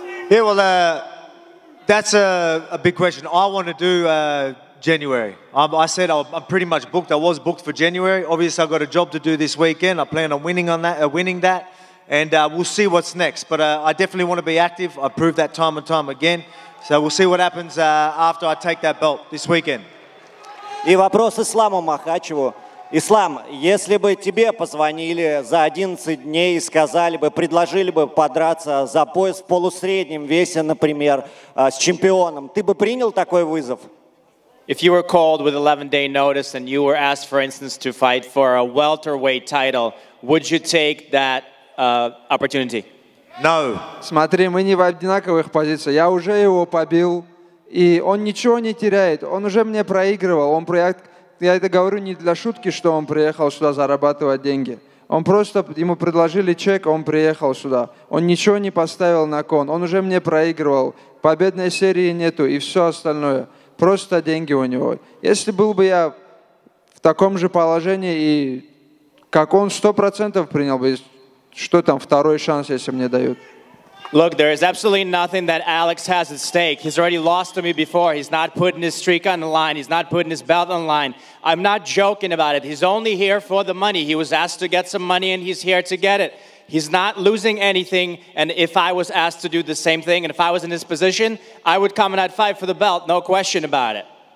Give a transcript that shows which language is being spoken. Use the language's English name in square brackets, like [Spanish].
[English] Yeah, well, that's a big question. I want to do January. I'm pretty much booked. I was booked for January. Obviously, I've got a job to do this weekend. I plan on winning that. And we'll see what's next. But I definitely want to be active. I proved that time and time again. So we'll see what happens after I take that belt this weekend. [Russian] И вопрос Исламу Махачеву. Ислам, если бы тебе позвонили за 11 дней и сказали бы, предложили бы подраться за пояс в полусреднем весе, например, с чемпионом, ты бы принял такой вызов? [English] If you were called with 11-day notice and you were asked, for instance, to fight for a welterweight title, would you take that opportunity? No. [Russian] Смотри, мы не в одинаковых позициях. Я уже его побил, и он ничего не теряет. Он уже мне проигрывал. Он я это говорю не для шутки, что он приехал сюда зарабатывать деньги. Он просто ему предложили чек, он приехал сюда. Он ничего не поставил на кон. Он уже мне проигрывал. Победной серии нету и все остальное. Просто деньги у него. Если был бы я в таком же положении и как он 100% принял бы, что там второй шанс, если мне дают. [English] Look, there is absolutely nothing that Alex has at stake. He's already lost to me before. He's not putting his streak on the line. He's not putting his belt on the line. I'm not joking about it. He's only here for the money. He was asked to get some money, and he's here to get it. He's not losing anything, and if I was asked to do the same thing, and if I was in his position, I would come and I'd fight for the belt, no question about it.